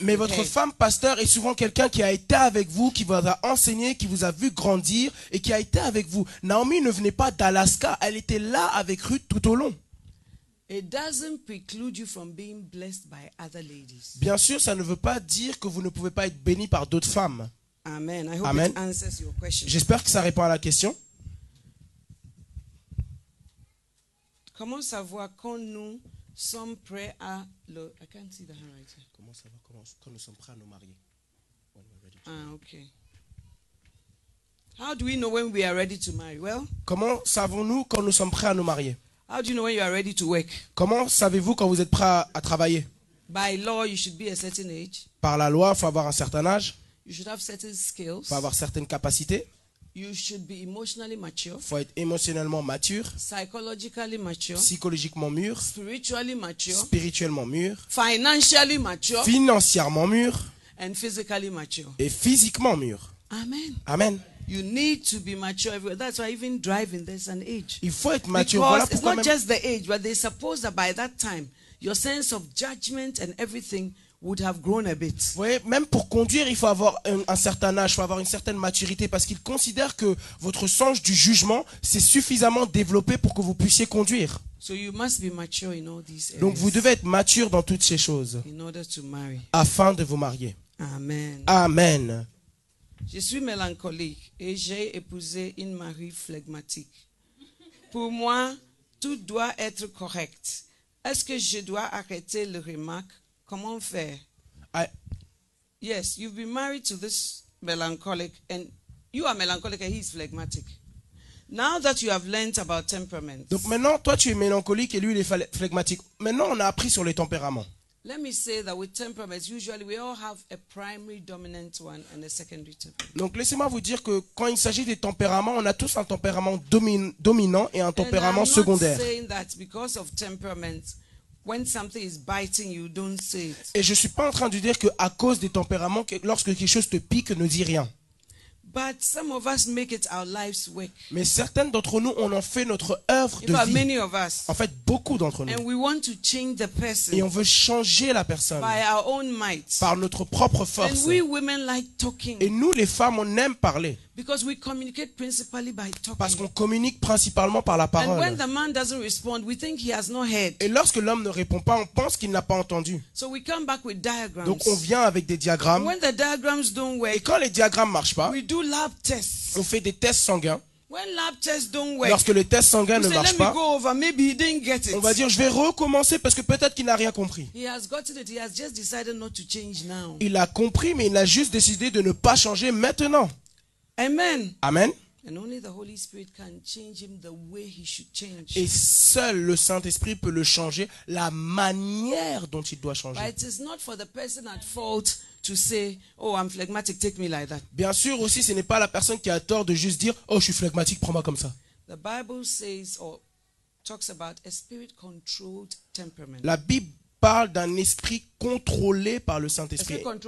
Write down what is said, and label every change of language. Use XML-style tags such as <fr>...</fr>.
<fr>Mais votre femme pasteur est souvent quelqu'un qui a été avec vous, qui vous a enseigné, qui vous a vu grandir et qui a été avec vous. Naomi ne venait pas d'Alaska, elle était là avec Ruth tout au long.</fr> <en>It doesn't preclude you from being blessed by other ladies.</en> <fr>Bien sûr, ça ne veut pas dire que vous ne pouvez pas être béni par d'autres femmes. Amen.</fr> <en>I hope Amen. It answers your question.</en> <fr>J'espère que ça répond à la question. Comment savoir quand nous sommes prêts à le</fr> <en>I can't see the handwriting.</en> <fr>Comment savoir quand nous sommes prêts à nous marier? Okay.</fr> <en>How do we know when we are ready to marry? Well,</en> <fr>comment savons-nous quand nous sommes prêts à nous marier?</fr> <en>How do you know when you are ready to work?</en> <fr>Comment savez-vous quand vous êtes prêt à travailler?</fr> <en>By law, you should be a certain age.</en> <fr>Par la loi, il faut avoir un certain âge.</fr> <en>You should have certain skills.</en> <fr>Il faut avoir certaines capacités.</fr> <en>You should be emotionally mature.</en> <fr>Il faut être émotionnellement mature.</fr> <en>Psychologically mature.</en> <fr>Psychologiquement mûr.</fr> <en>Spiritually mature.</en> <fr>Spirituellement mûr.</fr> <en>Financially mature.</en> <fr>Financièrement mûr.</fr> <en>And physically mature.</en> <fr>Et physiquement mûr. Amen. Amen.</fr> <en>You need to be mature everywhere. That's why even driving there's an age.</en> <fr>Il faut être mature.</fr> <en>Because</en> <fr>voilà</fr> <en>it's not</en> <fr>même</fr> <en>just the age, but they suppose that by that time your sense of judgment and everything would have grown a bit.</en> <fr>Vous voyez, même pour conduire, il faut avoir un certain âge, il faut avoir une certaine maturité, parce qu'ils considèrent que votre sens du jugement s'est suffisamment développé pour que vous puissiez conduire.</fr> <en>So you must be mature in all these areas.</en> <fr>Donc vous devez être mature dans toutes ces choses.</fr> <en>In order to marry.</en> <fr>Afin de vous marier. Amen. Amen. Je suis mélancolique et j'ai épousé une mari phlegmatique. Pour moi, tout doit être correct. Est-ce que je dois arrêter les remarques? Comment faire?</fr> <en>Yes, you've been married to this melancholic, and you are melancholic, and he's phlegmatic. Now that you have learned about temperaments.</en> <fr>Donc maintenant, toi, tu es mélancolique et lui, il est phlegmatique. Maintenant, on a appris sur les tempéraments.</fr> <en>Let me say that with temperaments, usually we all have a primary dominant one and a secondary temperament.</en> <fr>Donc laissez-moi vous dire que quand il s'agit des tempéraments, on a tous un tempérament dominant et un tempérament</fr> <en>and</en> <fr>secondaire.</fr> <en>I'm not saying that because of temperaments, when something is biting you, don't say it.</en> <fr>Et je suis pas en train de dire que à cause des tempéraments, lorsque quelque chose te pique, ne dis rien.</fr> <en>But some of us make it our life's work.</en> <fr>Mais certains d'entre nous, on en fait notre œuvre de vie.</fr> <en>Many of us.</en> <fr>En fait, beaucoup d'entre nous.</fr> <en>And we want to change the person.</en> <fr>Et on veut changer la personne.</fr> <en>By our own might.</en> <fr>Par notre propre force.</fr> <en>And we women like talking.</en> <fr>Et nous, les femmes, on aime parler.</fr> <en>Because we communicate principally by talking.</en> <fr>Parce qu'on communique principalement par la parole.</fr> <en>And when the man doesn't respond, we think he has not heard.</en> <fr>Et lorsque l'homme ne répond pas, on pense qu'il n'a pas entendu.</fr> <en>So we come back with diagrams.</en> <fr>Donc on vient avec des diagrammes.</fr> <en>When the diagrams don't work,</en> <fr>et quand les diagrammes ne marchent pas,</fr> <en>we do lab tests.</en> <fr>On fait des tests sanguins.</fr> <en>When lab tests don't work,</en> <fr>lorsque le test sanguin ne marche pas,</fr> <en>go over. Maybe he didn't get it.</en> <fr>On va dire, je vais recommencer parce que peut-être qu'il n'a rien compris.</fr> <en>He has gotten it. He has just decided not to change now.</en> <fr>Il a compris, mais il a juste décidé de ne pas changer maintenant. Amen. Amen.</fr> <en>And only the Holy Spirit can change him the way he should change.</en> <fr>Et seul le Saint-Esprit peut le changer la manière dont il doit changer.</fr> <en>But it is not for the person at fault to say, oh, I'm phlegmatic, take me like that.</en> <fr>Bien sûr aussi, ce n'est pas la personne qui a tort de juste dire, oh, je suis phlegmatique, prends-moi comme ça.</fr> <en>The Bible says or talks about a spirit-controlled temperament.</en> <fr>La Bible parle d'un esprit contrôlé par le Saint-Esprit.</fr>